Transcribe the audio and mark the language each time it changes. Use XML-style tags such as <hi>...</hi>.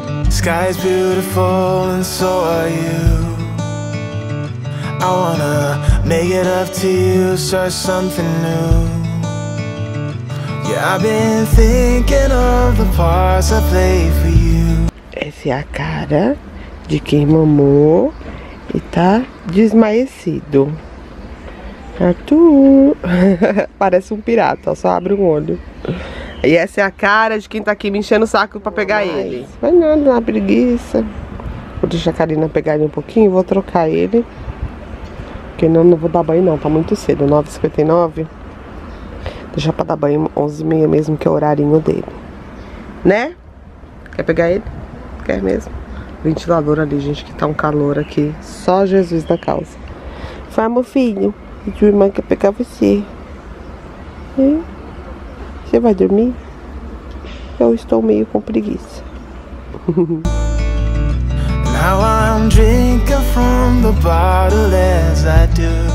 <en>Sky is beautiful and so are you. I wanna make it up to you, start something new. I've been thinking of the parts I play for you.</en> <pt>Essa é a cara de quem mamou e tá desmaecido. Arthur! Parece um pirata, só abre um olho. E essa é a cara de quem tá aqui me enchendo o saco pra pegar ele. Vai nada, na preguiça. Vou deixar a Karina pegar ele um pouquinho e vou trocar ele. Porque não vou dar banho não, tá muito cedo, 9h59. Deixa pra dar banho 11h30 mesmo, que é o horarinho dele. Né? Quer pegar ele? Quer mesmo? Ventilador ali, gente, que tá um calor aqui. Só Jesus da causa. Fala, meu filho. E tua irmã quer pegar você. Hein? Você vai dormir? Eu estou meio com preguiça.</pt> <en>Now I'm drinking from the bottle as I do.</en>